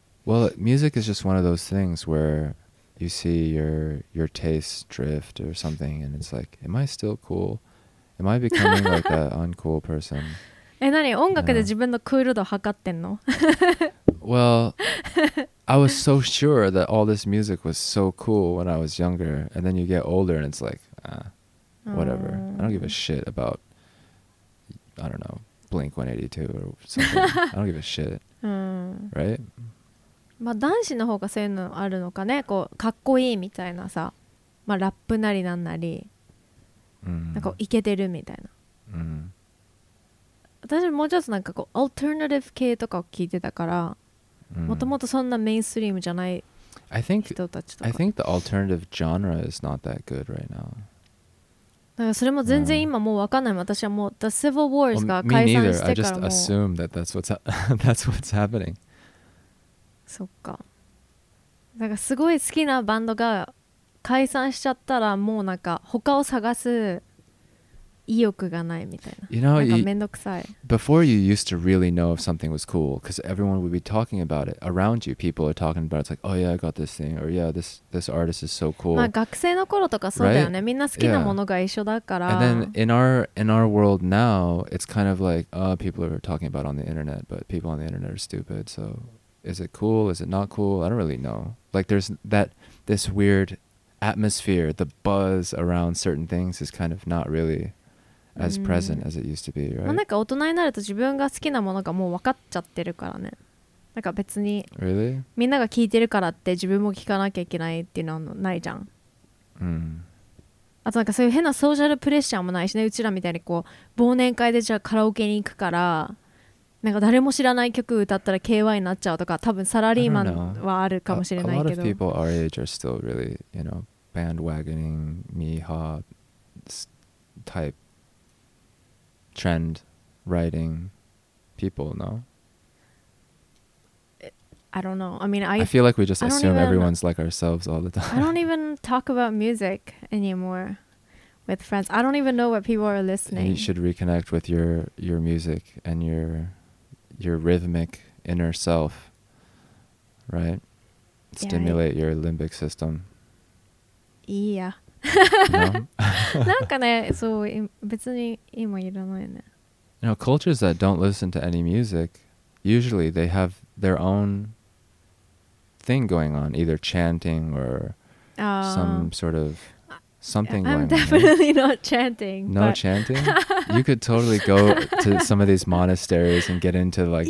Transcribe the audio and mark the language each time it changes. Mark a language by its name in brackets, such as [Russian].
[English] Well, music is just one of those things where you see your taste drift or something and it's like, am I still cool? Am I becoming like an uncool person? [Japanese] え、なに? 音楽で自分のクール度測ってんの? [English] Well, I was so sure that all this music was so cool when I was younger. And then you get older and it's like, whatever. I don't give a shit about, I don't know, Blink-182 or something. I don't give a shit. Right? [Japanese] まあ男子の方がそういうのあるのかね。こう、かっこいいみたいなさ。まあラップなりなんなり。なんかイケてるみたいな、うん、私もうちょっとなんかこうアルタナティブ系とかを聞いてたからもともとそんなメインストリームじゃない人たちとか [English] I think the alternative genre is not that good right now [Japanese] だからそれも全然今もう分かんない、私はもう The Civil Wars が解散してからもう、 [English] well, me neither. I just assume that that's what's happening [Japanese] そっかなんかすごい好きなバンドが解散しちゃったらもうなんか他を探す意欲がないみたいな。 [English] You know, [Japanese] なんかめんどくさい。 [English] Before you used to really know if something was cool because everyone would be talking about it around you. People are talking about it. It's like, oh yeah, I got this thing. Or yeah, this artist is so cool. [Japanese] まあ学生の頃とかそうだよね。 [English] Right? [Japanese] みんな好きなものが一緒だから。 [English] Yeah. And then in our world now, it's kind of like, people are talking about it on the internet, but people on the internet are stupid. So is it cool? Is it not cool? I don't really know. Like there's that this weirdatmosphere, the buzz around certain things is kind of not really as present as it used to be, right? [Japanese] まあなんか大人になると自分が好きなものがもう分かっちゃってるからね。なんか別に、 [English] really? [Japanese] みんなが聞いてるからって自分も聞かなきゃいけないっていうのはないじゃん。あとなんかそういう変なソーシャルプレッシャーもないしね。うちらみたいにこう忘年会でじゃあカラオケに行くから、なんか誰も知らない曲歌ったら KY になっちゃうとか多分サラリーマンはあるかもしれないけど [English] A lot of people our age are still really, you know, bandwagoning, mi-ha type trend writing people, no? I don't know. I mean, I feel like we just assume everyone's like ourselves all the time. I don't even talk about music anymore with friends. I don't even know what people are listening. You should reconnect with your music and your rhythmic inner self, right? Stimulate your limbic system. Yeah. [Japanese] なんかね、そう、別に今いらないね。 [English] You know, cultures that don't listen to any music, usually they have their own thing going on, either chanting or some sort of something I'm definitely on. Not chanting. No chanting? You could totally go to some of these monasteries and get into like